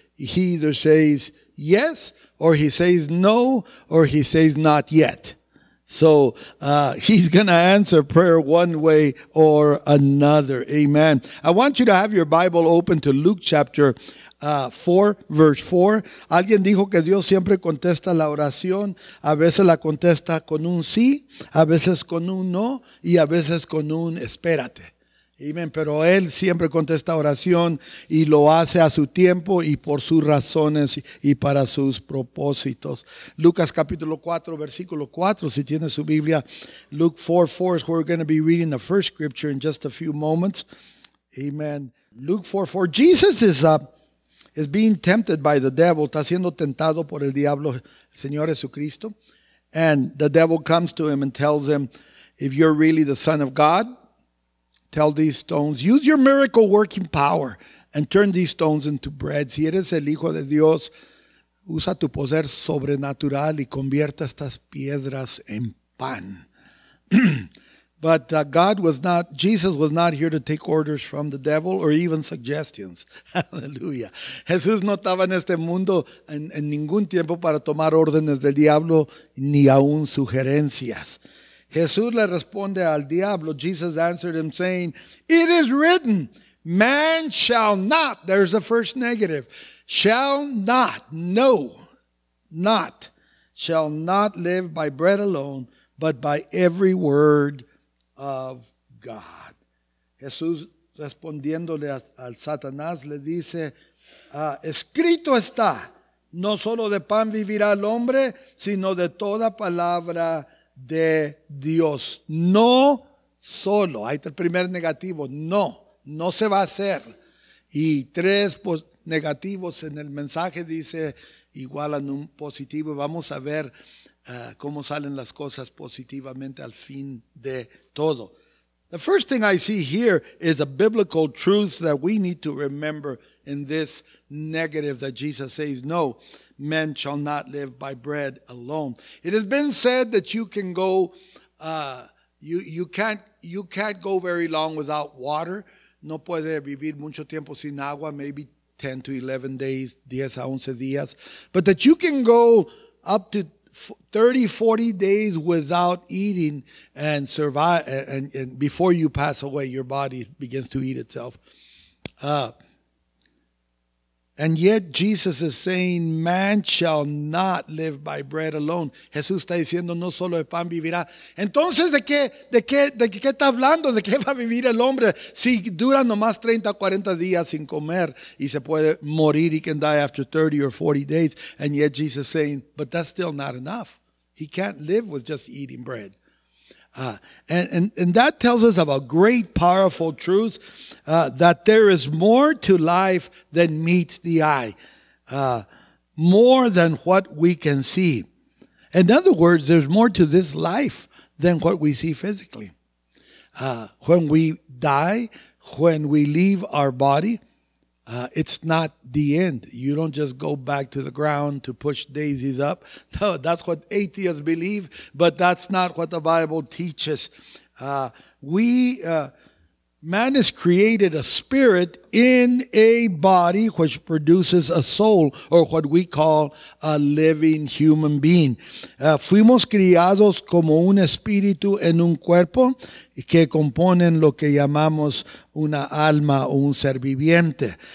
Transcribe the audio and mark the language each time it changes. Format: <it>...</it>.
<en>He either says yes, or he says no, or he says not yet. So he's going to answer prayer one way or another. Amen. I want you to have your Bible open to Luke chapter 4, verse 4.</en> <es>Alguien dijo que Dios siempre contesta la oración. A veces la contesta con un sí, a veces con un no, y a veces con un espérate. Amen. Pero Él siempre contesta oración y lo hace a su tiempo y por sus razones y para sus propósitos. Lucas capítulo 4, versículo 4. Si tiene su Biblia,</es> <en>Luke 4, 4 is where we're going to be reading the first scripture in just a few moments. Amen. Luke 4, 4. Jesus is being tempted by the devil.</en> <es>Está siendo tentado por el diablo, el Señor Jesucristo.</es> <en>And the devil comes to him and tells him, if you're really the Son of God, tell these stones, use your miracle working power and turn these stones into bread.</en> <es>Si eres el Hijo de Dios, usa tu poder sobrenatural y convierta estas piedras en pan.</es> <en>But Jesus was not here to take orders from the devil or even suggestions. Hallelujah.</en> <es>Jesús no estaba en este mundo en ningún tiempo para tomar órdenes del diablo ni aún sugerencias. Jesús le responde al diablo.</es> <en>Jesus answered him saying, it is written, man shall not, there's the first negative, shall not, no, not, shall not live by bread alone, but by every word of God.</en> <es>Jesús respondiéndole al Satanás le dice, escrito está, no solo de pan vivirá el hombre, sino de toda palabra de Dios. No solo. Ahí está el primer negativo. No, no se va a hacer. Y tres negativos en el mensaje dice igualan un positivo. Vamos a ver cómo salen las cosas positivamente al fin de todo.</es> <en>The first thing I see here is a biblical truth that we need to remember in this negative that Jesus says no. Men shall not live by bread alone. It has been said that you can go, you can't go very long without water.</en> <es>No puede vivir mucho tiempo sin agua,</es> <en>maybe 10 to 11 days,</en> <es>10 a 11 días.</es> <en>But that you can go up to 30, 40 days without eating and survive, and before you pass away, your body begins to eat itself. And yet Jesus is saying, man shall not live by bread alone.</en> <es>Jesús está diciendo, no solo de pan vivirá. Entonces, ¿de qué está hablando? ¿De qué va a vivir el hombre? Si dura nomás 30, 40 días sin comer y se puede morir,</es> <en>he can die after 30 or 40 days. And yet Jesus is saying, but that's still not enough. He can't live with just eating bread. And that tells us of a great, powerful truth, that there is more to life than meets the eye, more than what we can see. In other words, there's more to this life than what we see physically. When we die, when we leave our body, it's not the end. You don't just go back to the ground to push daisies up. No, that's what atheists believe, but that's not what the Bible teaches. Man has created a spirit in a body which produces a soul, or what we call a living human being.</en> <es>Fuimos criados como un espíritu en un cuerpo que componen lo que llamamos una alma o un ser viviente.</es>